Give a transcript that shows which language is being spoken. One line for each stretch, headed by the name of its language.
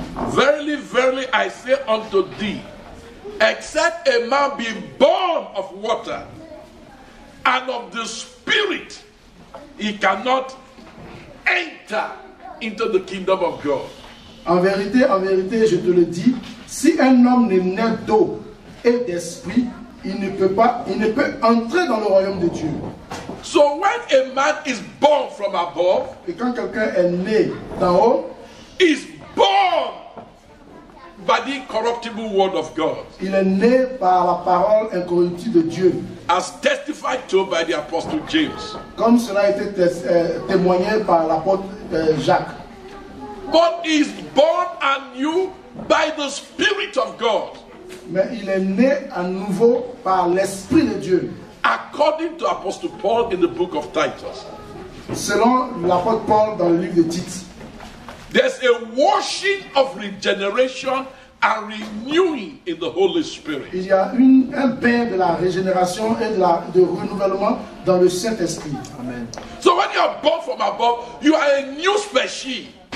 English: Verily, verily, I say unto thee, except a man be born of water and of the Spirit, he cannot enter into the kingdom of God.
French: En vérité, je te le dis, si un homme ne naît d'eau et d'esprit, il ne peut entrer dans le royaume de Dieu.
English: So when a man is born from above,
French: et quand quelqu'un est né d'en haut,
English: is born by the incorruptible word of God.
French: Il est né par la parole incorruptible de Dieu.
English: As testified to by the apostle James.
French: Comme cela a été témoigné par l'apôtre Jacques.
English: But is born anew by the Spirit of God.
French: Mais il est né à nouveau par l'Esprit de Dieu.
English: According to Apostle Paul in the book of Titus.
French: Selon l'apôtre Paul dans le livre de Tite.
English: There's a washing of regeneration and renewing in the Holy Spirit.
French: Il y a un bain de la régénération et de renouvellement dans le Saint-Esprit.
English: Amen. So when you are born from above, you are a new species.